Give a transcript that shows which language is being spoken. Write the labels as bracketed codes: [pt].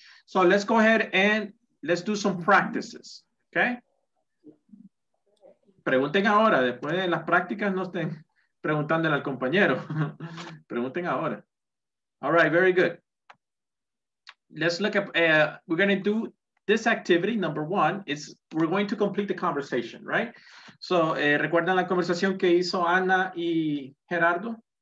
[en] So let's go ahead and let's do some practices. Okay. [es] Pregunten ahora, después de las prácticas no estén preguntándole al compañero. Pregunten ahora. [en] All right, very good. Let's look up. We're going to do this activity, number one. It's, we're going to complete the conversation, right? [es] So, ¿recuerdan la conversación que hizo Ana y Gerardo?